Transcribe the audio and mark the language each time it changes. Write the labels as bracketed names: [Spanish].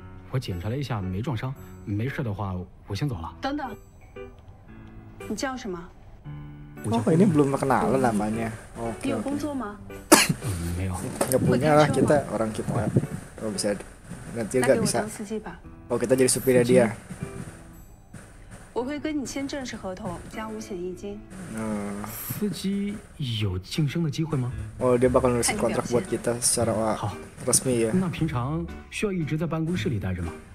[Chinese] 我检查了一下没撞伤， 没事的话我先走了。等等。 [Indonesian] Oh, ini belum kenalan namanya. Oke. Gak punya lah kita, orang kita. Oh, bisa. Nanti gak bisa. Oh, kita jadi supirnya dia. Oh, dia bakal nulis kontrak buat kita secara resmi ya. [Chinese] Nah, 平常需要一直在办公室里待着吗？